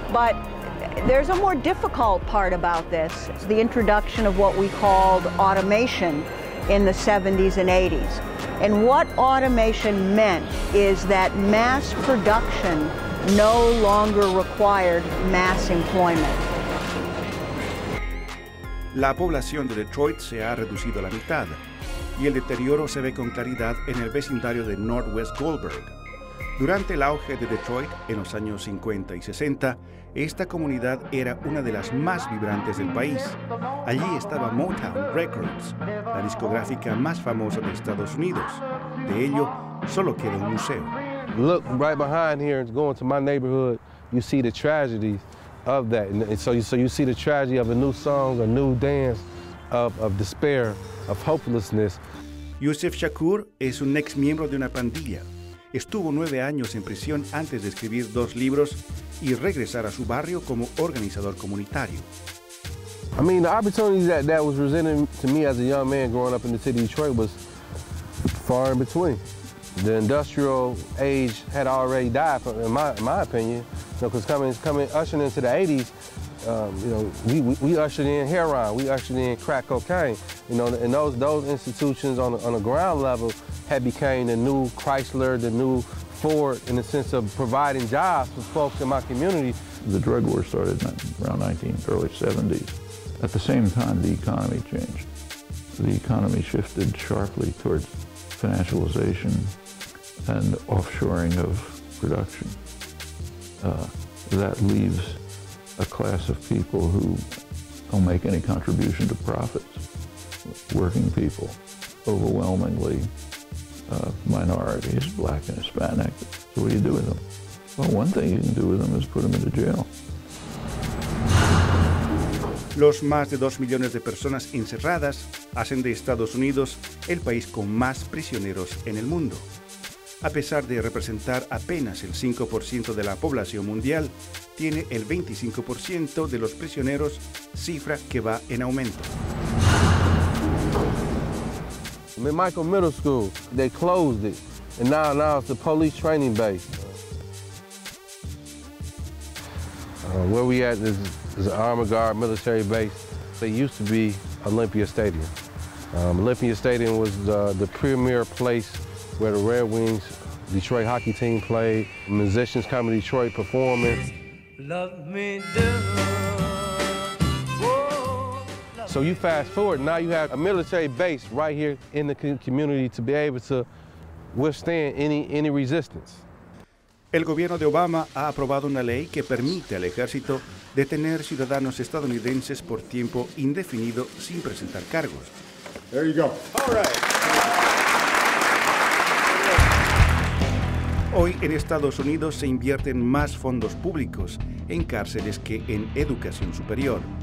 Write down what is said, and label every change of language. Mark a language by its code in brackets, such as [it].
[en] But there's a more difficult part about this. It's the introduction of what we called automation in the 70s and 80s. And what automation meant is that mass production no longer required mass employment. [es] La población de Detroit se ha reducido a la mitad, y el deterioro se ve con claridad en el vecindario de Northwest Goldburg. Durante el auge de Detroit en los años 50 y 60, esta comunidad era una de las más vibrantes del país. Allí estaba Motown Records, la discográfica más famosa de Estados Unidos. De ello, solo queda un museo. [en] Look right behind here, going to my neighborhood, you see the tragedy of that. And so you see the tragedy of a new song, a new dance, of despair, of hopelessness. [es] Yusef Shakur es un ex miembro de una pandilla. Estuvo 9 años en prisión antes de escribir 2 libros y regresar a su barrio como organizador comunitario. [en] I mean, the opportunities that was presented to me as a young man growing up in the city of Detroit was far in between. The industrial age had already died, in my opinion, because coming ushering into the 80s, we ushered in heroin, we ushered in crack cocaine, and those institutions on a ground level had became the new Chrysler, the new Ford, in the sense of providing jobs for folks in my community. The drug war started around early 70s. At the same time, the economy changed. The economy shifted sharply towards financialization and offshoring of production. That leaves a class of people who don't make any contribution to profits, working people, overwhelmingly minorities, black and Hispanic. So what do you do with them? Well, one thing you can do with them is put them into jail. [es] Los más de 2 millones de personas encerradas hacen de Estados Unidos el país con más prisioneros en el mundo. A pesar de representar apenas el 5% de la población mundial, tiene el 25% de los prisioneros, cifra que va en aumento. [en] In Michael Middle School, they closed it, and now it's the police training base. Where we at is an Army Guard military base. It used to be Olympia Stadium. Olympia Stadium was the premier place where the Red Wings Detroit hockey team played. Musicians come to Detroit performing. Love me do. So you fast forward, now you have a military base right here in the community to be able to withstand any resistance. [es] El gobierno de Obama ha aprobado una ley que permite al ejército detener ciudadanos estadounidenses por tiempo indefinido sin presentar cargos. [en] There you go. All right. [es] Hoy en Estados Unidos se invierten más fondos públicos en cárceles que en educación superior.